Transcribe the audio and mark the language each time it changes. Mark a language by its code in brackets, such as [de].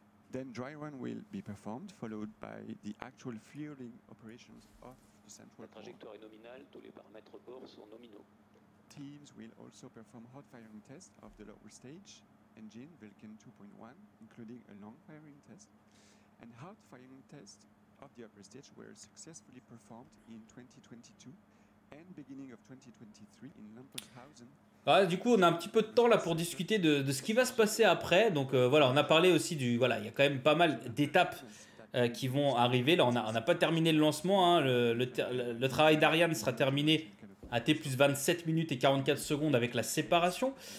[en] Then dry run will be performed, followed by the actual fueling operations of the central. [fr] La trajectoire est nominale, tous les paramètres bord sont nominaux. [en] Teams will also perform hot firing tests of the lower stage engine Vulcan 2.1, including a long firing test, and hot firing tests of the upper stage were successfully performed in 2022 and beginning of 2023 in Lampershausen. [fr] Ah, du coup, on a un petit peu de temps là pour discuter de ce qui va se passer après. Donc voilà, on a parlé aussi il y a quand même pas mal d'étapes qui vont arriver. Là, on a pas terminé le lancement. Hein. Le travail d'Ariane sera terminé à T plus 27 minutes et 44 secondes avec la séparation.